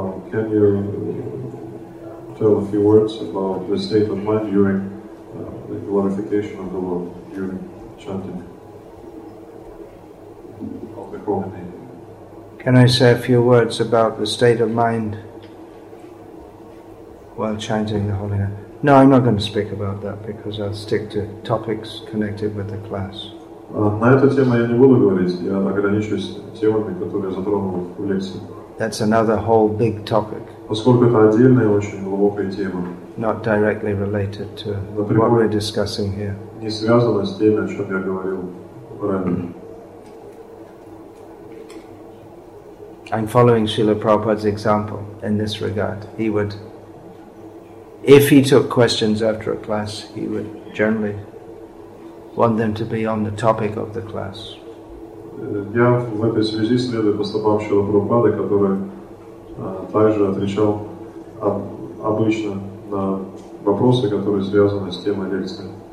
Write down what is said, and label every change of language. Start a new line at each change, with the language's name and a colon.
English: Can you tell a few words about the state of mind during the glorification of the Lord, during chanting of the holy name? Can I say a few words about the state of mind while chanting the holy name? No, I'm not going to speak about that because I'll stick to topics connected with the class.
Russian: На эту тему я не буду говорить, я ограничусь темами, которые я затронул в лекции.
English: That's another whole big topic.
Russian: Поскольку это отдельная очень глубокая тема.
English: Not directly related to what we're discussing here.
Russian: Не связано с тем, о чем я говорил ранее.
English: I'm following Srila Prabhupada's example in this regard. He would, if he took questions after a class, he would generally want them to be on the topic of the class.
Russian: Я в этой связи следую поступкам Шрилы Прабхупады, который также отвечал обычно на вопросы, которые связаны с темой лекции.